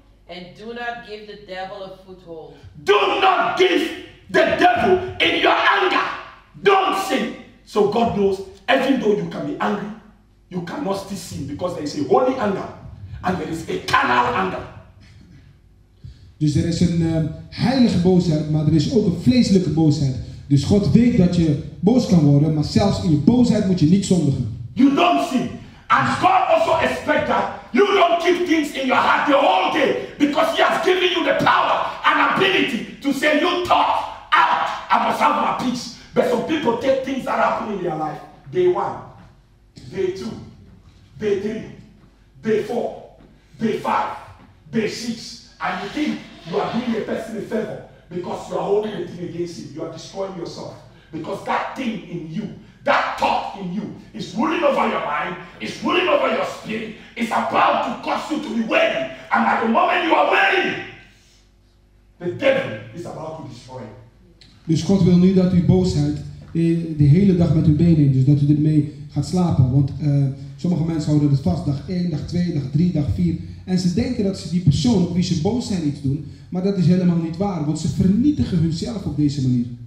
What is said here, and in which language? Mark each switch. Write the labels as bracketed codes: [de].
[en] And do not give the devil a foothold. Do not give the devil in your anger. Don't sin. So God knows, even though you can be angry, you cannot still sin because there is a holy anger and there is a carnal anger. [nl] Dus er is een heilige boosheid, maar er is ook een vleeslijke boosheid. Dus God weet dat je boos kan worden, maar zelfs in je boosheid moet je niet zondigen. [en] You don't sin. And God also expects that you don't keep things in your heart the whole day. Because he has given you the power and ability to say, you talk out, I must have my peace. But some people take things that happen in their life, day one, day two, day three, day four, day five, day six. And you think you are doing a person a favor because you are holding the thing against him. You are destroying yourself. Because that thing in you, that thought in you, is ruling over your mind, is ruling over your spirit, is about to cause you to be weary. And at the moment you are weary, the devil is about to destroy you. [nl] Dus God wil nu dat u boosheid de hele dag met uw been neemt. Dus dat u ermee gaat slapen. Want sommige mensen houden het vast. Dag 1, dag 2, dag 3, dag 4. En ze denken dat ze die persoon op wie ze boos zijn iets doen. Maar dat is helemaal niet waar. Want ze vernietigen hunzelf op deze manier.